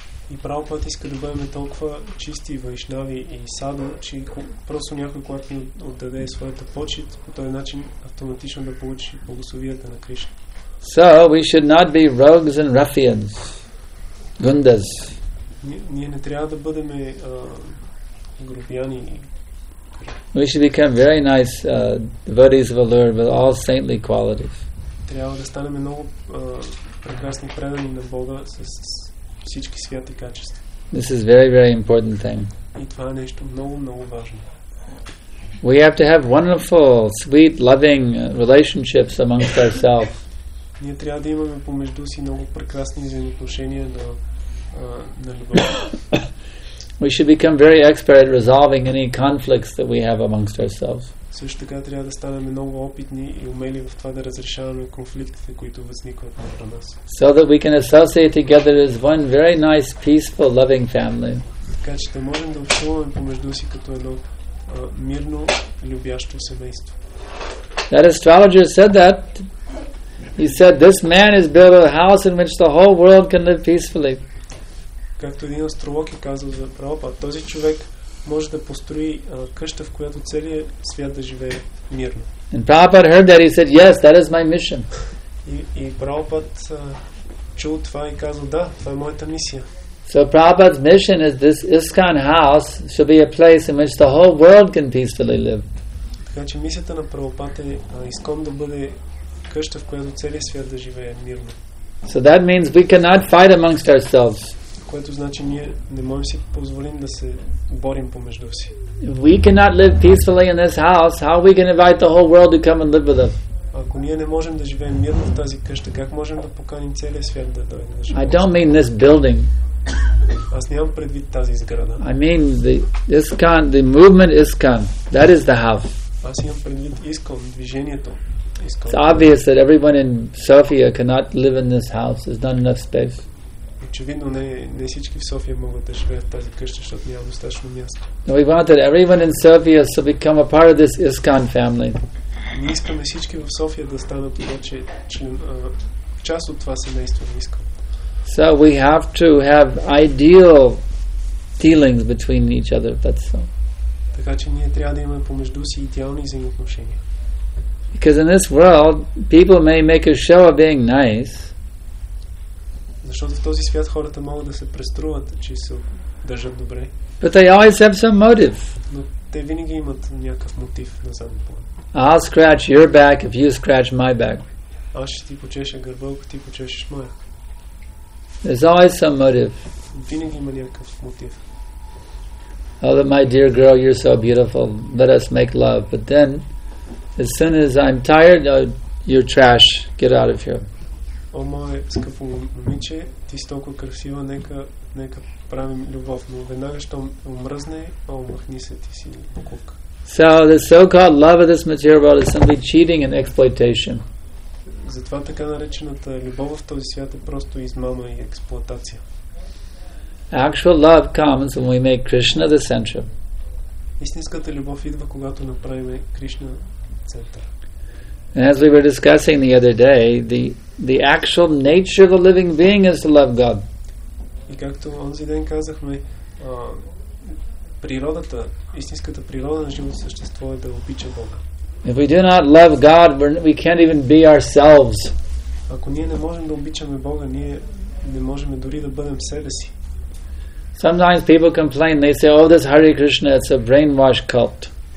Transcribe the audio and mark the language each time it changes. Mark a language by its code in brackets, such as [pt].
[bg] И Прабхупад иска да бъдем толкова чисти вайшнави и саду, че просто някой, който ни отдаде своята почет, по този начин автоматично да получи благословията на Кришна. [en] So we should not be rogues and ruffians, gundas. [bg] Ние не трябва да бъдем грубияни. [en] We should become very nice devotees of the Lord with all saintly qualities. [bg] Трябва да станем много прекрасни предани на Бога с всички святи качества. [en] This is very, very important thing. [bg] И това е нещо много, много важно. [en] We have to have wonderful, sweet, loving relationships amongst ourselves. [bg] Ние трябва да имаме помежду си много прекрасни взаимоотношения на любов. [en] We should become very expert at resolving any conflicts that we have amongst ourselves. [bg] Също така трябва да станем много опитни и умели в това да разрешаваме конфликтите, които възникват между нас. [en] So that we can associate together as one very nice, peaceful, loving family. [bg] Така че да можем да общуваме помежду си като едно мирно, любящо семейство. [en] That astrologer said that. He said, this man has built a house in which the whole world can live peacefully. [bg] Както един астролог е казал за Прабхупад, този човек може да построи къща, в която целият свят да живее мирно. [en] And Prabhupada heard that, he said, yes, that is my mission. [bg] И Прабхупад чул това и казал, да, това е моята мисия. [en] So Prabhupada's mission is this ISKCON house should be a place in which the whole world can peacefully live. So that means we cannot fight amongst ourselves. If we cannot live peacefully in this house, how are we going to invite the whole world to come and live with us? [bg] Ако ние не можем да живеем мирно в тази къща, как можем да поканим целия свят да дойде? [en] I don't mean this building. [bg] Аз нямам предвид тази сграда. [en] I mean the movement ISKCON. That is the house. [bg] Аз имам предвид ISKCON, движението. [en] It's obvious that everyone in Sofia cannot live in this house. There's not enough space. [bg] Очевидно не всички в София могат да живеят в тази къща, защото няма достатъчно място. [en] And we want that everyone in Sofia should become a part of this ISKCON family. [bg] Ние искаме всички в София да станат повече част от това семейство. [en] So we have to have ideal dealings between each other, that's all. [bg] Така че ние трябва да имаме помежду си идеални взаимоотношения. [en] Because in this world, people may make a show of being nice. [bg] Защото в този свят хората могат да се преструват, че се държат добре. [en] But they always have some motive. [bg] Но те винаги имат някакъв мотив на заден план. [en] I'll scratch your back if you scratch my back. [bg] Аз ще ти почеша гърба, ако ти почешеш моя. [en] There's always some motive. [bg] Винаги има някакъв мотив. [en] Oh, that my dear girl, you're so beautiful. Let us make love. But then, as soon as I'm tired, you're trash. Get out of here. [bg] О, мое скъпо момиче, ти си толкова красива, нека правим любов. Но веднага, щом умръзне, махни се, ти си буковка. [en] So the so-called love of this material world is simply cheating and exploitation. [bg] Затова така наречената любов в този свят е просто измама и експлоатация. [en] Actual love comes when we make Krishna the center. [bg] Истинската любов идва, когато направим Кришна център. [en] And as we were discussing the other day, the actual nature of a living being is to love God. [bg] И както онзи ден казахме, природата, истинската природа на живото същество е да обича Бога. [en] If we do not love God, we can't even be ourselves. [bg] Ако ние не можем да обичаме Бога, ние не можем дори да бъдем себе си. [en] Sometimes people complain, they say, oh, this Hare Krishna, it's a brainwashed cult.